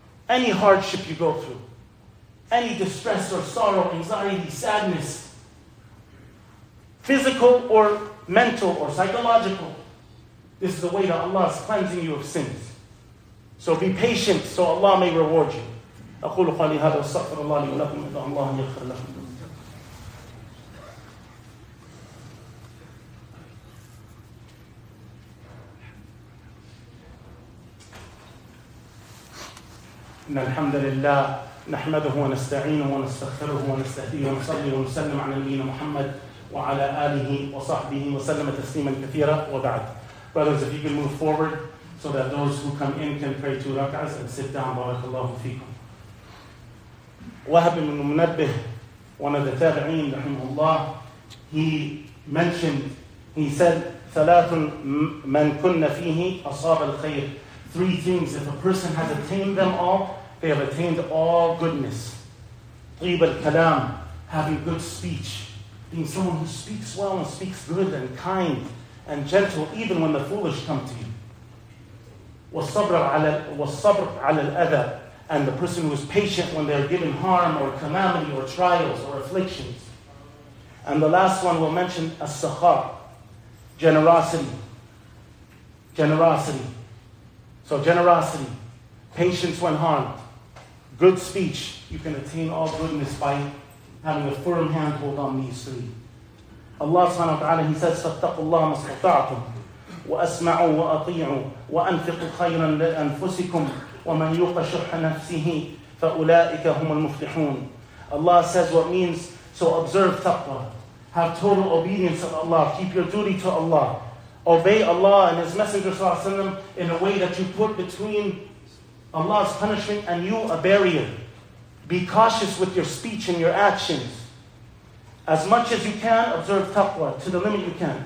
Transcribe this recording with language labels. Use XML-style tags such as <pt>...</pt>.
<en>Any hardship you go through, any distress or sorrow, anxiety, sadness, physical or mental or psychological, this is the way that Allah is cleansing you of sins. So be patient, so Allah may reward you.</en> <ar>أقول قولي هذا واستغفر الله لي ولكم إذا الله يغفر لكم. إن الحمد لله نحمده ونستعينه ونستغفره ونستهديه ونصلي ونسلم على نبينا محمد وعلى آله وصحبه وسلم تسليما كثيرا وبعد.</ar> <en>Brothers, if you can move forward so that those who come in can pray two rak'ahs and sit down. Barakallahu fikum. Wahab ibn Munabbih, one of the tabi'een, rahimahullah, he mentioned, he said,</en> <ar>ثَلَاثٌ مَنْ كُنَّ فِيهِ أَصَابَ الْخَيْرِ.</ar> <en>Three things, if a person has attained them all, they have attained all goodness.</en> <ar>طِيبَ الْكَلَام,</ar> <en>having good speech, being someone who speaks well and speaks good and kind and gentle, even when the foolish come to you.</en> <ar>وَالصَّبْرَ عَلَى الْأَذَى,</ar> <en>and the person who is patient when they are given harm or calamity or trials or afflictions. And the last one we'll mention, as-sakhar, generosity. Generosity. So generosity, patience when harmed, good speech. You can attain all goodness by having a firm handhold on these three. Allah subhanahu wa ta'ala, he says,</en> <ar>فَاتَّقُوا اللَّهَ مَا اسْتَطَعْتُمْ وَأَسْمَعُوا وَأَطِيعُوا وَأَنْفِقُوا خَيْرًا لِأَنفُسِكُمْ وَمَنْ يُوقَ شُحَّ نَفْسِهِ فَأُولَٰئِكَ هُمُ الْمُفْلِحُونَ.</ar> <en>Allah says what means, so observe taqwa. Have total obedience of Allah. Keep your duty to Allah. Obey Allah and His Messenger sallallahu alayhi wa sallam in a way that you put between Allah's punishment and you a barrier. Be cautious with your speech and your actions. As much as you can, observe taqwa to the limit you can.</en>